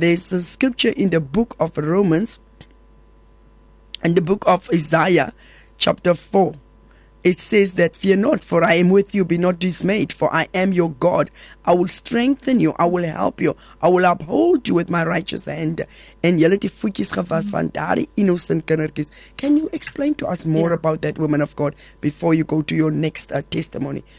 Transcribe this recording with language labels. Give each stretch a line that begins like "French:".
English: There's a scripture in the book of Romans, in the book of Isaiah, chapter 4, it says that, "Fear not, for I am with you. Be not dismayed, for I am your God. I will strengthen you. I will help you. I will uphold you with my righteous hand."
Afrikaans: And jylle die voetjies gewas van daar die innocent kindertjies.
English: Can you explain to us more about that, woman of God, before you go to your next testimony?